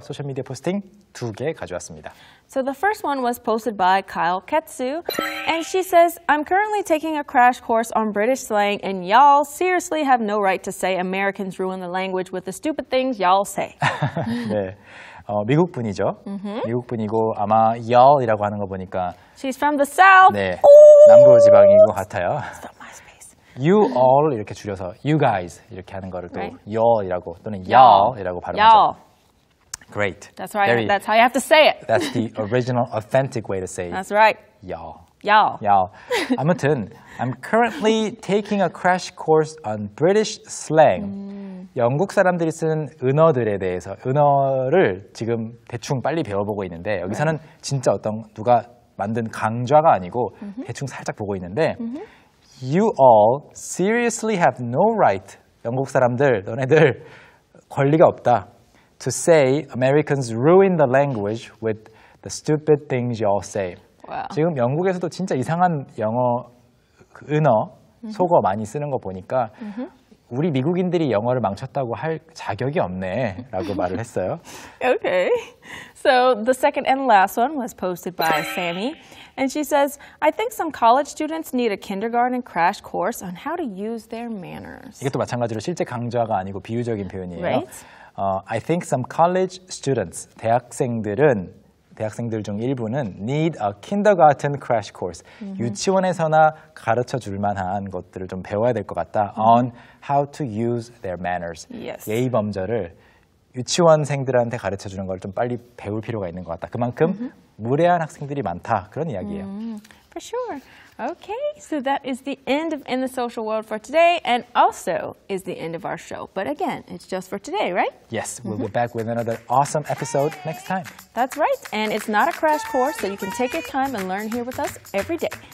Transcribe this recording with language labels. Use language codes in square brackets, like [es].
[ko] 소셜 미디어 포스팅 두 개 가져왔습니다. [en] So the first one was posted by Kyle Ketsu, and she says, "I'm currently taking a crash course on British slang, and y'all seriously have no right to say Americans ruin the language with the stupid things y'all say." [ko] 네. 미국 분이죠. Mm-hmm. 미국 분이고 아마 y'all이라고 하는 거 보니까 [en] She's from the south. [ko] 네. 남부 지방인 것 같아요. You all 이렇게 줄여서 you guys 이렇게 하는 거를 또 right. y'all이라고 또는 y'all이라고 발음하죠. [en] Y'all. Great. That's right. Very, that's how you have to say it. That's the original authentic way to say it. That's right. Y'all. Y'all. Y'all. 아무튼 I'm currently taking a crash course on British slang. [ko] 영국 사람들이 쓰는 은어들에 대해서 은어를 지금 대충 빨리 배워보고 있는데 여기서는 right. 진짜 어떤 누가 만든 강좌가 아니고 mm-hmm. 대충 살짝 보고 있는데 [en] mm-hmm. You all seriously have no right [ko] 영국 사람들, 너네들 권리가 없다 [en] To say Americans ruin the language with the stupid things you all say wow. [ko] 지금 영국에서도 진짜 이상한 영어, 은어, mm-hmm. 속어 많이 쓰는 거 보니까 mm-hmm. 우리 미국인들이 영어를 망쳤다고 할 자격이 없네라고 말을 했어요. [en] Okay. So the second and last one was posted by Sammy. And she says, I think some college students need a kindergarten crash course on how to use their manners. [ko] 이것도 마찬가지로 실제 강좌가 아니고 비유적인 표현이에요. [en] Right? I think some college students, [ko] 대학생들은 대학생들 중 일부는 [en] need a kindergarten crash course. Mm-hmm. [ko] 유치원에서나 가르쳐 줄 만한 것들을 좀 배워야 될 것 같다. [en] Mm-hmm. On how to use their manners. Yes. [ko] 예의 범절을 유치원생들한테 가르쳐 주는 걸 좀 빨리 배울 필요가 있는 것 같다. 그만큼 mm-hmm. 무례한 학생들이 많다. 그런 이야기예요. [en] Mm-hmm. For sure. Okay. So that is the end of In the Social World for today and also is the end of our show. But again, it's just for today, right? Yes. We'll mm-hmm. be back with another awesome episode next time. That's right. And it's not a crash course, so you can take your time and learn here with us every day.